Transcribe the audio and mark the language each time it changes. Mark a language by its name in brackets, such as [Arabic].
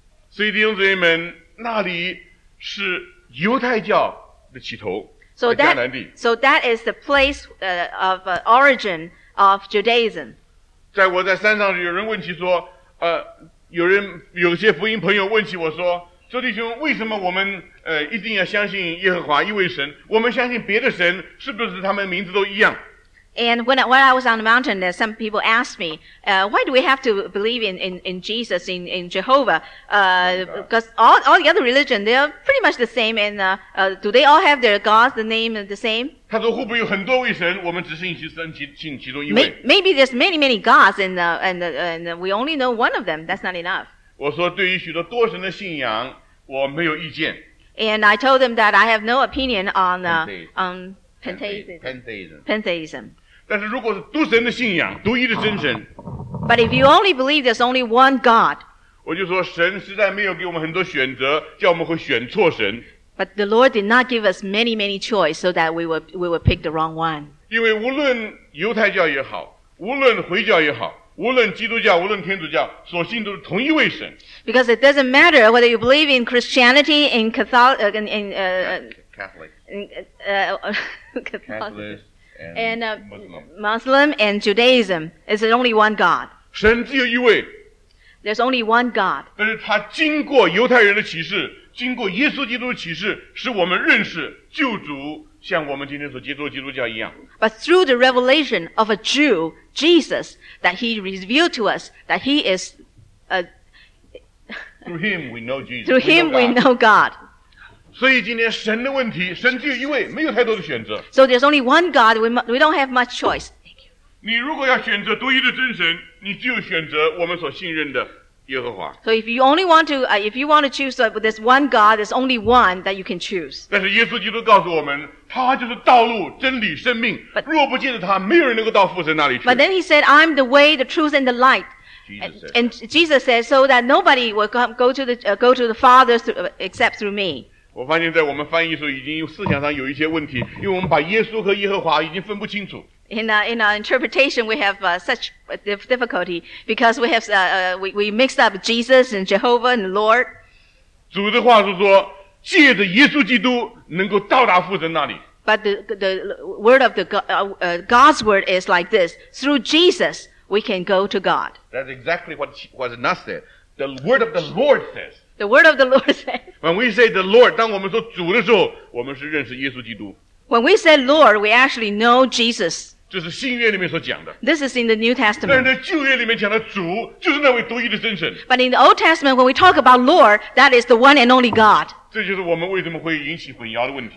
[Chinese] 所以弟兄姊妹们，那里是犹太教的起头。 [English] So that is the place of origin of Judaism. [Chinese] 在我在山上，有人问起说，有些福音朋友问起我说，周弟兄，为什么我们一定要相信耶和华一位神？我们相信别的神，是不是他们名字都一样？ [English] And when I was on the mountain, some people asked me, why do we have to believe in Jesus, in Jehovah? Because all the other religion, they are pretty much the same, and do they all have their gods, the name the same? [Chinese] 他说会不会有很多位神，我们只信其中一位。 [English] Maybe there's many gods, and we only know one of them. That's not enough. [Chinese] 我说对于许多多神的信仰，我没有意见。 [English] And I told them that I have no opinion on Pantheism. [Chinese] 但是如果是独神的信仰，独一的真神。 [English] But if you only believe there's only one God. [Chinese] 我就说神实在没有给我们很多选择，叫我们会选错神。 [English] But the Lord did not give us many choices so that we would pick the wrong one. [Chinese] 因为无论犹太教也好，无论回教也好，无论基督教，无论天主教，所信都是同一位神。 [English] Because it doesn't matter whether you believe in Christianity, in Catholic, in Catholic. Catholic and Muslim and Judaism. Is it only one God? [Chinese] 神只有一位。 [English] There's only one God. [Chinese] 但是他经过犹太人的启示，经过耶稣基督的启示，使我们认识救主，像我们今天所接触的基督教一样。 [English] But through the revelation of a Jew, Jesus, that he revealed to us that he is through him we know Jesus. Through him we know God. [Chinese] 所以今天神的问题，神只有一位，没有太多的选择。 [English] So there's only one God. We don't have much choice. Thank you. [Chinese] 你如果要选择独一的真神，你只有选择我们所信任的耶和华。 [English] So if you only want to, if you want to choose, but there's one God, there's only one that you can choose. [Chinese] 但是耶稣基督告诉我们，他就是道路、真理、生命。 [English] But, [Chinese] 若不借着他，没有人能够到父神那里去。 [English] But then he said, "I'm the way, the truth, and the light." Jesus said, "So that nobody will go to the Father except through me." [Chinese] 我发现在我们翻译的时候已经思想上有一些问题，因为我们把耶稣和耶和华已经分不清楚。 [English] In our interpretation, we have such difficulty because we have we mixed up Jesus and Jehovah and the Lord. [Chinese] 主的话是说，借着耶稣基督能够到达父神那里。 [English] But the word of the God's word is like this: through Jesus, we can go to God. That's exactly what was not said. The word of the Lord says. The word of the Lord says. When we say the Lord, [Chinese] 当我们说主的时候，我们是认识耶稣基督。 [English] When we say Lord, we actually know Jesus. [Chinese] 这是新约里面所讲的。 [English] This is in the New Testament. [Chinese] 但是在旧约里面讲的主，就是那位独一的真神。 [English] But in the Old Testament, when we talk about Lord, that is the one and only God. [Chinese] 这就是我们为什么会引起混淆的问题。